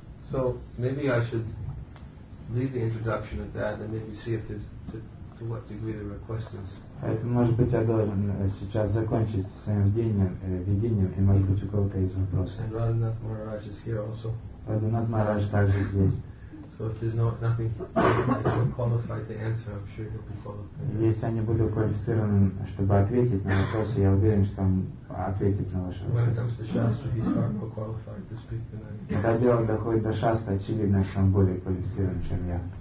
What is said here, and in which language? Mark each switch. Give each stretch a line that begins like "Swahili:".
English: So maybe I should leave the introduction at that, and maybe see if to what degree there are questions.
Russian: Это может быть я должен сейчас закончить своим введением, и может быть у кого-то есть вопросы.
English: And Radhanath Maharaj is here also.
Russian: Radhanath Maharaj также здесь.
English: So if there's nothing qualified to answer, I'm sure he'll be qualified.
Russian: Если я не буду квалифицированным, чтобы ответить на вопросы, я уверен, что он ответит на ваши вопросы.
English: When it comes to Shastra, he's far more qualified to speak than I am.
Russian: Когда дело доходит до Шастры, очевидно, что он более квалифицирован, чем я.